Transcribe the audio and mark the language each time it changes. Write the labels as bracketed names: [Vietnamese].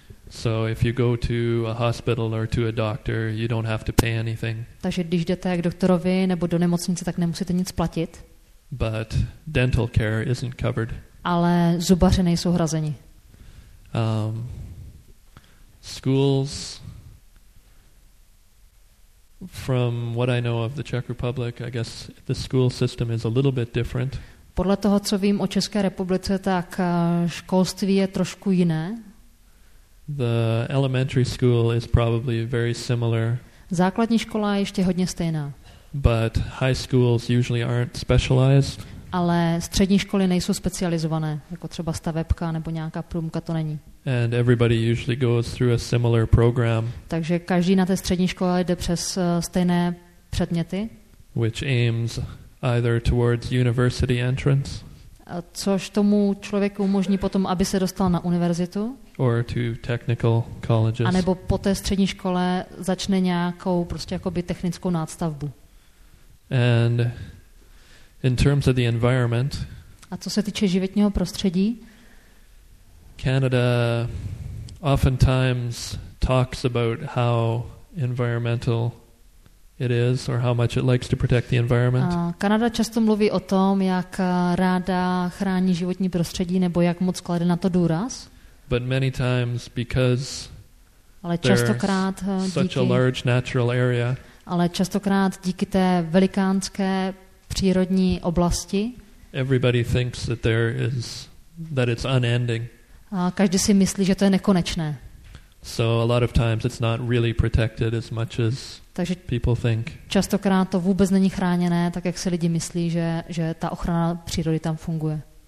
[English] So if you go to a hospital or to a doctor, you don't have to pay anything. [Czech] Takže když jdete k doktorovi nebo do nemocnice, tak nemusíte nic platit. [English] But dental care isn't covered. [Czech] Ale zubaři nejsou hrazeni. [English] Schools. From what I know of the Czech Republic, I guess the school system is a little bit different. [Czech] Podle toho, co vím o České republice, tak školství je trošku jiné. [English] The elementary school is probably very similar. [Czech] Základní škola je ještě hodně stejná. [English] But high schools usually aren't specialized. [Czech] Ale střední školy nejsou specializované, jako třeba stavebka nebo nějaká průmka, to není. [English] And everybody usually goes through a similar program. [Czech] Takže každý na té střední škole jde přes stejné předměty. [English] Which aims either towards university entrance. [Czech] Což tomu člověku umožní potom, aby se dostal na univerzitu. [English] Or to technical colleges. [Czech] A nebo po té střední škole začne nějakou prostě jakoby technickou nástavbu. [English] And in terms of the environment. [Czech] A co se týče životního prostředí? [English] Canada oftentimes talks about how environmental it is or how much it likes to protect the environment. [Czech] Kanada často mluví o tom, jak ráda chrání životní prostředí nebo jak moc klade na to důraz. [English] But many times because [Czech] ale častokrát [English] such a large natural area. [Czech] Ale častokrát díky té velikánské přírodní oblasti. [English] Everybody thinks that there is that it's unending. [Czech] A každý si myslí, že to je nekonečné. [English] So a lot of times it's not really protected as much as [Czech] takže [English] people think. [Czech] Častokrát to vůbec není chráněné, tak jak si lidi myslí, že ta ochrana přírody tam funguje.